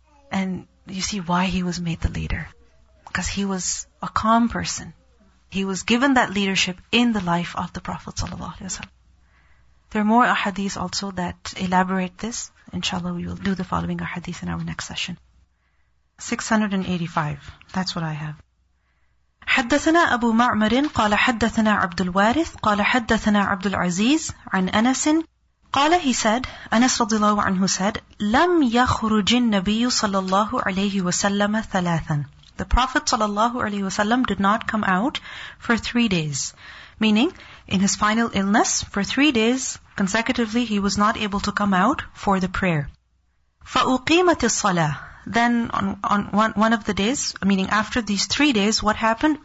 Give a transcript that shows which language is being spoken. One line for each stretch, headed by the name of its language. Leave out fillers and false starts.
English: And you see why he was made the leader. Because he was a calm person. He was given that leadership in the life of the Prophet sallallahu alaihi wasallam. There are more ahadith also that elaborate this. Inshallah, we will do the following ahadith in our next session. 685. That's what I have.
Arabic: حدثنا أبو معمر قال حدثنا عبد الوارث قال حدثنا عبد العزيز عن أنس قال
English: he said,
Arabic: أنس رضي الله عنه
English: said,
Arabic: لم يخرج النبي صلى الله عليه وسلم ثلاثا.
English: The Prophet sallallahu alaihi wasallam did not come out for 3 days. Meaning, in his final illness, for 3 days consecutively, he was not able to come out for the prayer.
Arabic: فَأُقِيمَتِ الصَّلَاةِ.
English: Then on one of the days, meaning after these 3 days, what happened?